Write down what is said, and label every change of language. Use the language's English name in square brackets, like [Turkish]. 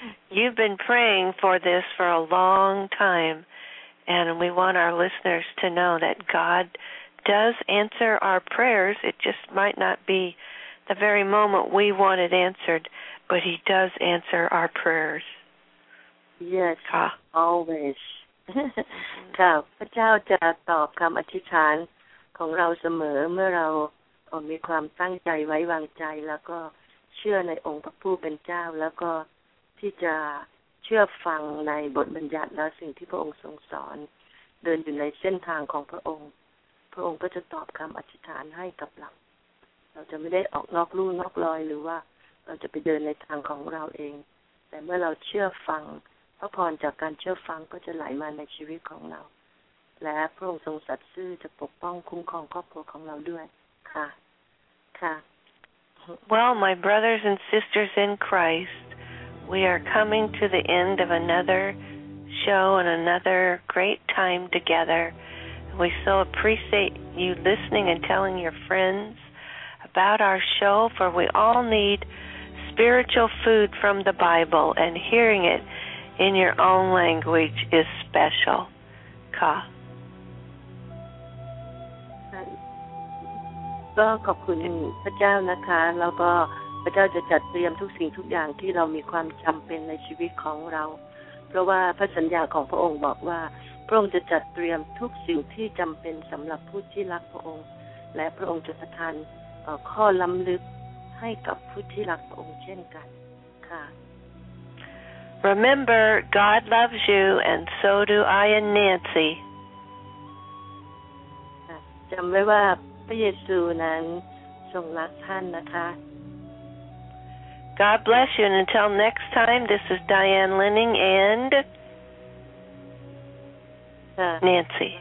[English] You've been praying for this for a long time, and we want our listeners to know that God does answer our prayers. It just might not be. The very moment we want it answered, but he does answer our prayers. Yes, always. [Thai] ค่ะ พระเจ้าจะตอบคำอธิษฐานของเราเสมอเมื่อเรามีความตั้งใจไว้วางใจแล้วก็เชื่อในองค์พระผู้เป็นเจ้าแล้วก็ที่จะเชื่อฟังในบทบัญญัติและสิ่งที่พระองค์ทรงสอนเดินอยู่ในเส้นทางของพระองค์พระองค์ก็จะตอบคำอธิษฐานให้กับเรา เราจะไม่ได้ออกนอกลู่นอกลอยหรือว่าเราจะไปเดินในทางของเราเองแต่เมื่อเราเชื่อฟังพระพรจากการเชื่อฟังก็จะไหลมาในชีวิตของเราและพระองค์ทรงสัตย์ซื่อจะปกป้องคุ้มครองครอบครัวของเราด้วยค่ะค่ะ [English] Well, my brothers and sisters in Christ, we are coming to the end of another show and another great time together. We so appreciate you listening and telling your friends. About our show, for we all need spiritual food from the Bible, and hearing it in your own language is special. [Thai] Ka. ก็ขอบคุณพระเจ้านะคะแล้วก็พระเจ้าจะจัดเตรียมทุกสิ่งทุกอย่างที่เรามีความจำเป็นในชีวิตของเราเพราะว่าพระสัญญาของพระองค์บอกว่าพระองค์จะจัดเตรียมทุกสิ่งที่จำเป็นสำหรับผู้ที่รักพระองค์และพระองค์จะประทานข้อล้ำลึกให้กับผู้ที่รักพระองค์เช่นกันค่ะ [English] Remember God loves you and so do I and Nancy [Thai] จำไว้ว่าพระเยซูนั้นทรงรักท่านนะคะ [English] God bless you and until next time this is Diane Linning and Nancy.